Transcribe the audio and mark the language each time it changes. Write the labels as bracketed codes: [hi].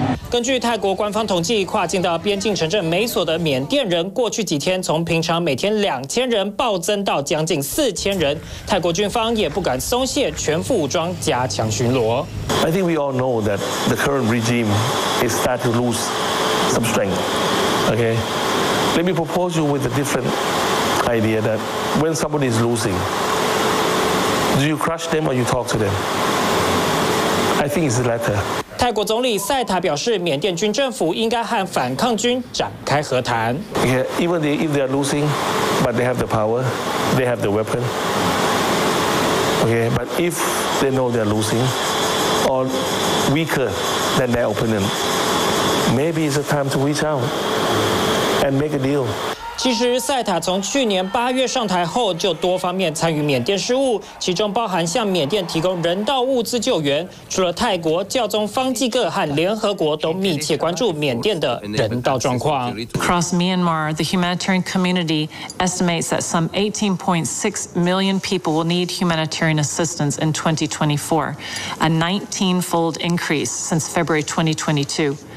[zh] 根据泰国官方统计，跨境到边境城镇美索的缅甸人过去几天从平常每天2000人暴增到将近4000人，泰国军方也不敢松懈，全副武装加强巡逻。 [en] I think we all know that the current regime is start to lose some strength. Okay, let me propose you with a different idea that when somebody is losing, do you crush them or you talk to them? I think it's the latter. [zh] 泰国总理赛塔表示，缅甸军政府应该和反抗军展开和谈。 [en] Even if they are losing, but they have the power, they have the weapon. Okay, but if they know they are losing or weaker than their opponent, maybe it's a time to reach out and make a deal. [zh] 其实赛塔从去年八月上台后就多方面参与缅甸事务，其中包含向缅甸提供人道物资救援。除了泰国，教宗方济各和联合国都密切关注缅甸的人道状况。 [en] Across Myanmar, the humanitarian community estimates that some 18.6 million people will need humanitarian assistance in 2024, a 19-fold increase since February 2022.